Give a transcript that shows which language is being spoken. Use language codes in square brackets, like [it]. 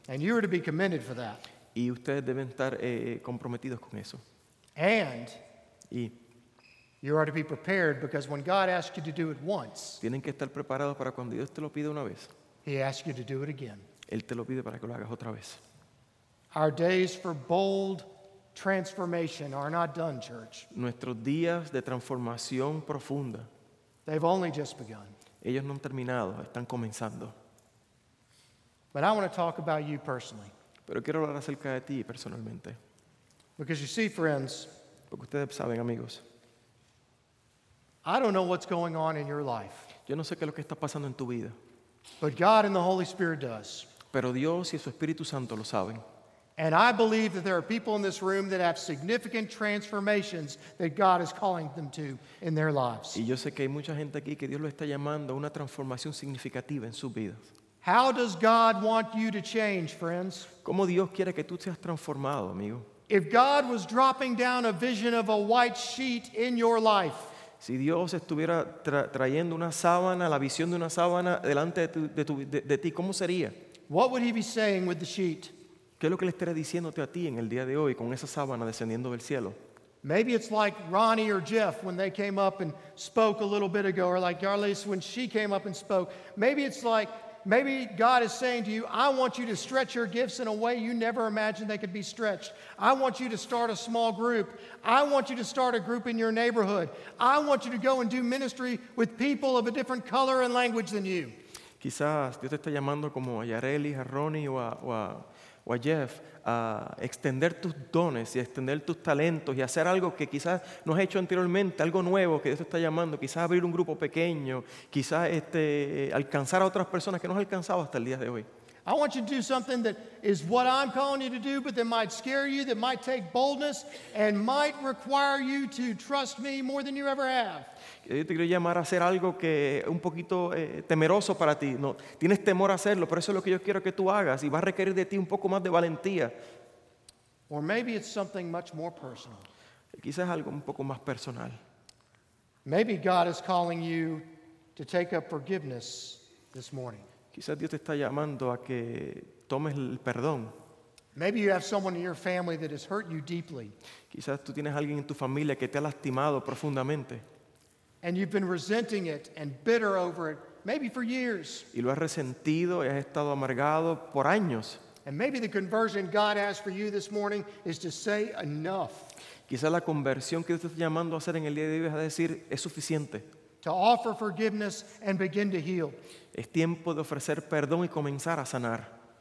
[en] And you are to be commended for that. [es] Y ustedes deben estar comprometidos con eso. [en] And [es] y [en] you are to be prepared because when God asks you to do it once, [es] tienen que estar preparados para cuando Dios te lo pide una vez. [en] He asks you to do it again. [es] Él te lo pide para que lo hagas otra vez. [en] Our days for bold transformation are not done, church. [es] Nuestros días de transformación profunda. [en] They've only just begun. [es] Ellos no han terminado, están comenzando. [en] But I want to talk about you personally. [es] Pero quiero hablar acerca de ti personalmente. [en] Because you see, friends, [es] porque ustedes saben, amigos, [en] I don't know what's going on in your life. [es] Yo no sé qué es lo que está pasando en tu vida. [en] But God and the Holy Spirit does. [es] Pero Dios y su Espíritu Santo lo saben. [en] And I believe that there are people in this room that have significant transformations that God is calling them to in their lives. [es] Y yo sé que hay mucha gente aquí que Dios lo está llamando a una transformación significativa en sus vidas. [en] How does God want you to change, friends? [es] ¿Cómo Dios quiere que tú seas transformado, amigo? [en] If God was dropping down a vision of a white sheet in your life, [es] si Dios estuviera trayendo una sábana, la visión de una sábana delante de ti, ¿cómo sería? [en] What would he be saying with the sheet? [es] ¿Qué es lo que le estaría diciéndote a ti en el día de hoy con esa sábana descendiendo del cielo? [en] Maybe it's like Ronnie or Jeff when they came up and spoke a little bit ago, or like Yarlis when she came up and spoke. Maybe it's like Maybe God is saying to you, I want you to stretch your gifts in a way you never imagined they could be stretched. I want you to start a small group. I want you to start a group in your neighborhood. I want you to go and do ministry with people of a different color and language than you. [es] Quizás Dios te está llamando como a Yareli, a Ronnie o a Jeff a extender tus dones y extender tus talentos y hacer algo que quizás no has hecho anteriormente, algo nuevo que Dios te está llamando, quizás abrir un grupo pequeño, quizás alcanzar a otras personas que no has alcanzado hasta el día de hoy. [en] I want you to do something that is what I'm calling you to do, but that might scare you, that might take boldness, and might require you to trust me more than you ever have. [es] Yo te quiero llamar a hacer algo que es un poquito temeroso para ti. No, tienes temor a hacerlo, pero eso es lo que yo quiero que tú hagas, y va a requerir de ti un poco más de valentía. [en] Or maybe it's something much more personal. [es] Quizás algo un poco más personal. [en] Maybe God is calling you to take up forgiveness this morning. [es] Quizás Dios te está llamando a que tomes el perdón. [en] Maybe you have someone in your family that has hurt you deeply. [es] Quizás tú tienes alguien en tu familia que te ha lastimado profundamente. [en] And you've been resenting it and bitter over it, maybe for years. [es] Y lo has resentido y has estado amargado por años. [en] And maybe the conversion God has for you this morning is to say enough. [es] Quizás la conversión que Dios te está llamando a hacer en el día de hoy es a decir es suficiente. [en] To offer forgiveness and begin to heal. [es] Es tiempo de ofrecer perdón y comenzar a sanar.